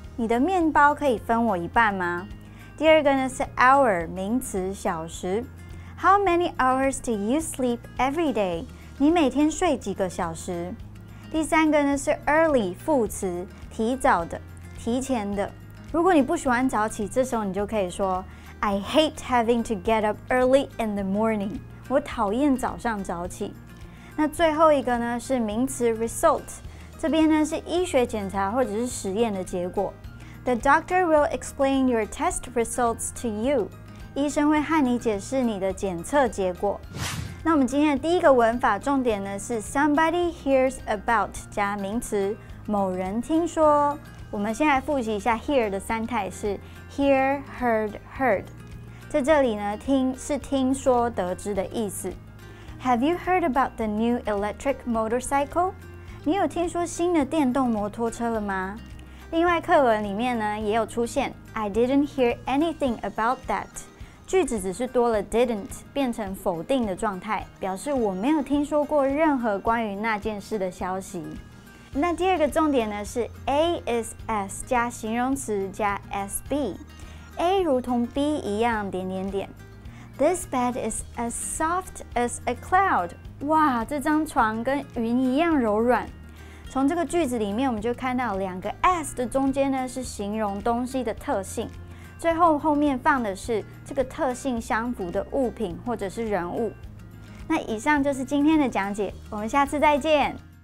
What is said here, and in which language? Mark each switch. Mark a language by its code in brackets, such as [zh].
[zh] 你的面包可以分我一半吗？第二个呢是 hour， 名词，小时。 [en] How many hours do you sleep every day? [zh] 你每天睡几个小时？第三个呢是 early， 副词，提早的，提前的。如果你不喜欢早起，这时候你就可以说 [en] I hate having to get up early in the morning. [zh] 我讨厌早上早起。那最后一个呢是名词 result， 这边呢是医学检查或者是实验的结果。 [en] The doctor will explain your test results to you. [zh] 医生会和你解释你的检测结果。那我们今天的第一个文法重点呢是 somebody hears about 加名词，某人听说。我们先来复习一下 hear 的三态是 hear, heard, heard。在这里呢，听是听说得知的意思。 [en] Have you heard about the new electric motorcycle? [zh] 你有听说新的电动摩托车了吗？另外课文里面呢也有出现 [en] I didn't hear anything about that. [zh] 句子只是多了 didn't 变成否定的状态，表示我没有听说过任何关于那件事的消息。那第二个重点呢是 A is S 加形容词加 SB， A 如同 B 一样点点点。 [en] This bed is as soft as a cloud. [zh] 哇，这张床跟云一样柔软。从这个句子里面，我们就看到两个 s 的中间呢是形容东西的特性，最后后面放的是这个特性相符的物品或者是人物。那以上就是今天的讲解，我们下次再见。